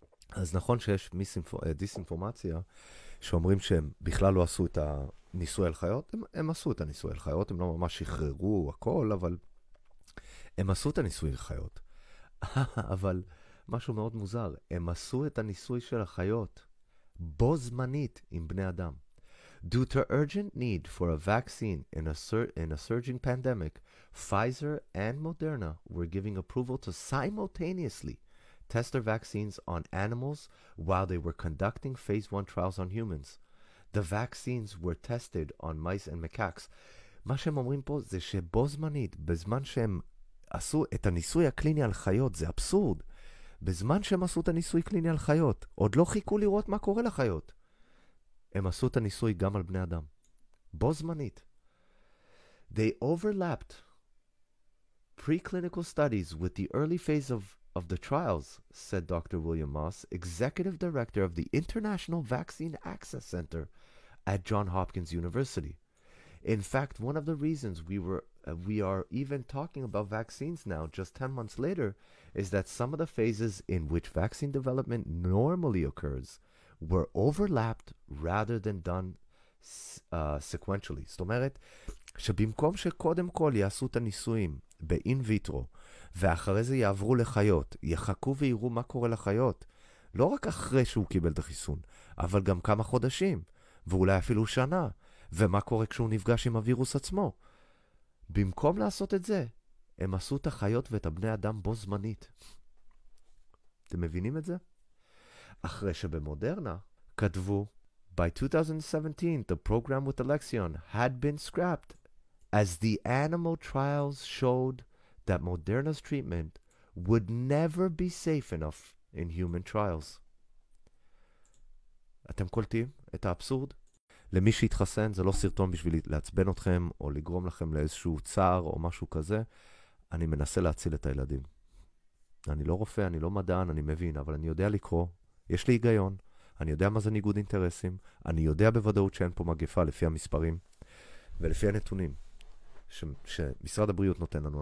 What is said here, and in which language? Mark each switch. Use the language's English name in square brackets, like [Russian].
[Hebrew] אז נכון שיש דיסאינפורמציה שאומרים שהם בכלל לא עשו את הניסוי על חיות. הם עשו את הניסוי על חיות, הם לא ממש שחררו הכל, אבל הם עשו את הניסוי על חיות. אבל משהו מאוד מוזר, הם עשו את הניסוי של החיות בו זמנית עם בני אדם. [English] Due to urgent need for a vaccine in a surging pandemic, Pfizer and Moderna were giving approval to simultaneously test their vaccines on animals while they were conducting phase 1 trials on humans. The vaccines were tested on mice and macaques. [Hebrew] מה שהם אומרים פה זה שבו זמנית, בזמן שהם עשו את הניסוי הקליני על חיות, זה אבסורד. בזמן שהם עשו את הניסוי קליני על חיות, עוד לא חיכו לראות מה קורה לחיות. הם עשו את הניסוי גם על בני אדם. בו זמנית. [English] They overlapped preclinical studies with the early phase of the trials, said Dr. William Moss, executive director of the International Vaccine Access Center at Johns Hopkins University. In fact, one of the reasons we are even talking about vaccines now, just 10 months later, is that some of the phases in which vaccine development normally occurs were overlapped rather than done sequentially. [Hebrew] זאת אומרת, שבמקום שקודם כל יעשו את הניסויים באין ויטרו, ואחרי זה יעברו לחיות, יחכו ויראו מה קורה לחיות, לא רק אחרי שהוא קיבל את החיסון, אבל גם כמה חודשים, ואולי אפילו שנה, ומה קורה כשהוא נפגש עם הווירוס עצמו. במקום לעשות את זה, הם עשו את החיות ואת הבני אדם בו זמנית. אתם מבינים את זה? אחרי שבמודרנה כתבו, [English] By 2017, the program with Alexion had been scrapped as the animal trials showed that Moderna's treatment would never be safe enough in human trials. [Hebrew] אתם קולטים את האבסורד? למי שהתחסן, זה לא סרטון בשביל לעצבן אתכם או לגרום לכם לאיזשהו צער או משהו כזה. אני מנסה להציל את הילדים. אני לא רופא, אני לא מדען, אני מבין, אבל אני יודע לקרוא. יש לי היגיון. אני יודע מה זה ניגוד אינטרסים. אני יודע בוודאות שאין פה מגפה לפי המספרים ולפי הנתונים שמשרד הבריאות נותן לנו.